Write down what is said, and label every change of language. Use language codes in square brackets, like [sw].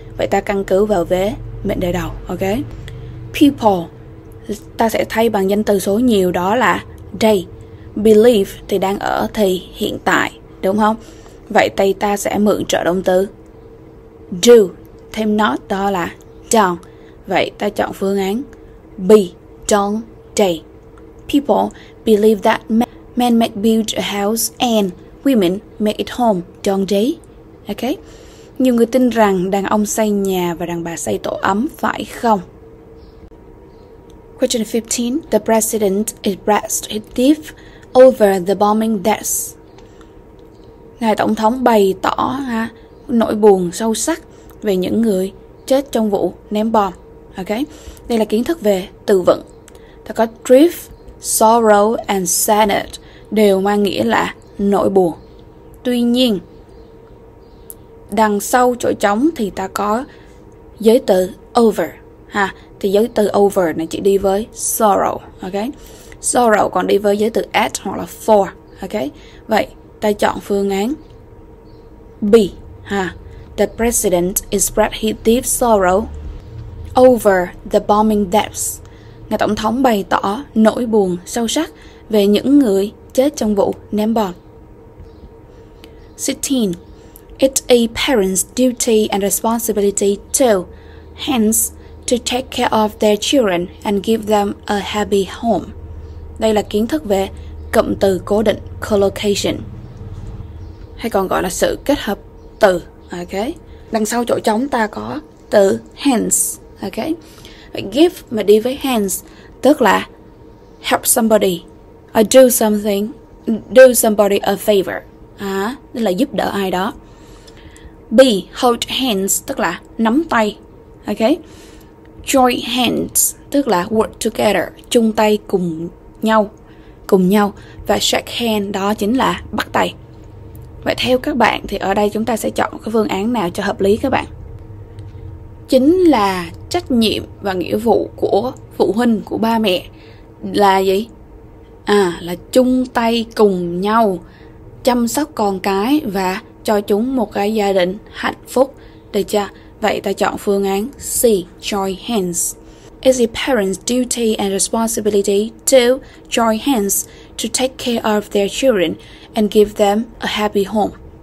[vi] Vậy ta căn cứ vào vế mệnh đề đầu, ok? People, ta sẽ thay bằng danh từ số nhiều đó là they. Believe thì đang ở thì hiện tại, đúng không? Vậy thì ta sẽ mượn trợ động từ do, thêm not đó là don't. Vậy ta chọn phương án be, don't, they. [en] People believe that men make build a house and women make it home, don't they? Okay. [vi] Nhiều người tin rằng đàn ông xây nhà và đàn bà xây tổ ấm, phải không? [en] Question 15. The president expressed his grief over the bombing deaths. [vi] Ngài Tổng thống bày tỏ nỗi buồn sâu sắc về những người chết trong vụ ném bom. Okay. Đây là kiến thức về từ vựng. Ta có grief, sorrow and sadness đều mang nghĩa là nỗi buồn. Tuy nhiên, đằng sau chỗ trống thì ta có giới từ over. Ha, thì giới từ over này chỉ đi với sorrow, ok? Sorrow còn đi với giới từ at hoặc là for, ok? Vậy ta chọn phương án B, ha. [en] The president expressed his deep sorrow over the bombing deaths. [vi] Ngài tổng thống bày tỏ nỗi buồn sâu sắc về những người chết trong vụ ném bom. 16. [en] It's a parent's duty and responsibility too, hence to take care of their children and give them a happy home. [vi] Đây là kiến thức về cụm từ cố định collocation, hay còn gọi là sự kết hợp từ. Ok, đằng sau chỗ trống ta có từ hence. Ok, give mà đi với hence tức là [en] help somebody or do something, do somebody a favor, [vi] tức là giúp đỡ ai đó. B, hold hands tức là nắm tay. Ok, join hands tức là [en] work together, [vi] chung tay cùng nhau, cùng nhau. Và shake hands đó chính là bắt tay. Vậy theo các bạn thì ở đây chúng ta sẽ chọn cái phương án nào cho hợp lý các bạn? Chính là trách nhiệm và nghĩa vụ của phụ huynh, của ba mẹ là gì? Là chung tay cùng nhau chăm sóc con cái và cho chúng một cái gia đình hạnh phúc, được chưa? Vậy ta chọn phương án C, join hands. [en] It's a parent's duty and responsibility to join hands to take care of their children and give them a happy home.